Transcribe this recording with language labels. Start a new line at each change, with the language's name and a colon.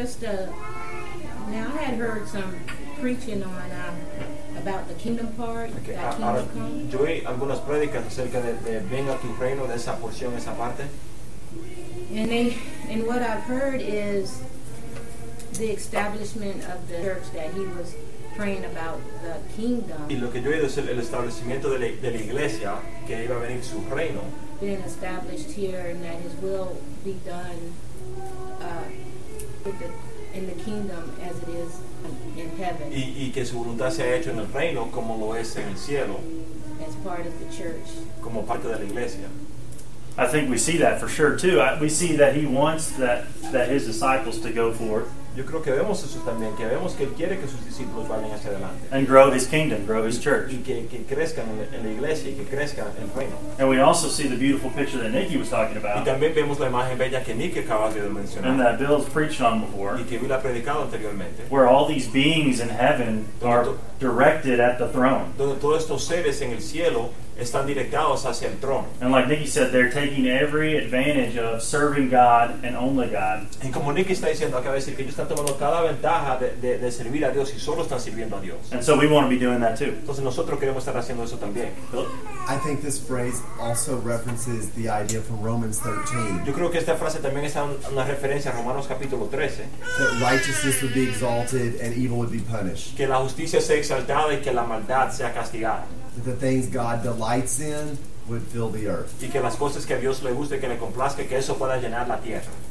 English: Now I had heard some preaching on about the kingdom part.
Spanish: Yo oí algunas prédicas acerca de venga tu reino, de esa porción, esa parte.
English: And what I've heard is the establishment of the church that he was praying about the kingdom.
Spanish: Y lo que yo he oído es el establecimiento de la iglesia que iba a venir su reino.
English: Being established here and that his will be done with the in the kingdom as it is in heaven.
Spanish: Y que su voluntad sea hecho en el reino como lo es en el cielo.
English: As part of the church.
Spanish: Como parte de la iglesia.
English: I think we see that for sure too. We see that he wants that his disciples to go forth.
Spanish: Yo creo que vemos eso también, que vemos que él quiere que sus discípulos vayan hacia adelante.
English: And grow his kingdom, grow his church.
Spanish: Y que crezcan en la iglesia y que crezcan en el reino.
English: And we also see the beautiful picture that Nicky was talking about.
Spanish: Y también vemos la imagen bella que Nicky acaba de mencionar.
English: And that Bill's preached on before.
Spanish: Y que Bill ha predicado anteriormente.
English: Where all these beings in heaven are directed at the throne.
Spanish: Donde todos estos seres en el cielo están directados hacia el trono.
English: And like Nicky said, they're taking every advantage of serving God and only God.
Spanish: Y como Nicky está diciendo, acaba de decir que ellos están tomando cada ventaja de servir a Dios y solo están sirviendo a Dios.
English: And so we want to be doing that too.
Spanish: Entonces nosotros queremos estar haciendo eso también.
English: I think this phrase also references the idea from Romans 13.
Spanish: Yo creo que esta frase también está una referencia a Romanos capítulo 13.
English: That righteousness would be exalted and evil would be punished.
Spanish: Que la justicia sea exaltada y que la maldad sea castigada.
English: That the things God delights in would fill the earth.
Spanish: Y que las cosas que a Dios le guste, que le complazca, que eso pueda llenar la tierra.